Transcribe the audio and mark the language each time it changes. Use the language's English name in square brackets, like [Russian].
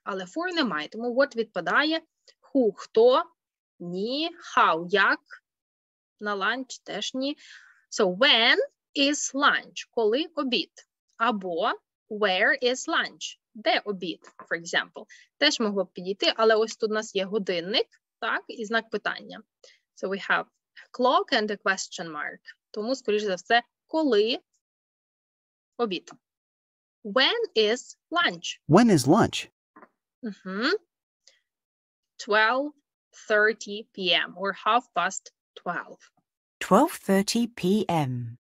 [Ukrainian] Але for немає, тому what відпадає. Who, хто? Ні. How, як? На ланч теж ні. [English] So, when is lunch? [Ukrainian] Коли обід? Або [English] where is lunch? [Ukrainian] Де обід, for example. Теж могло б підійти, але ось тут у нас є годинник, так, і знак питання. [English] So, we have clock and a question mark. [Ukrainian] Тому, скоріше за все, коли обід? [English] When is lunch? When is lunch? Mm-hmm. 12:30 p.m. or 12:30. 12:30 p.m.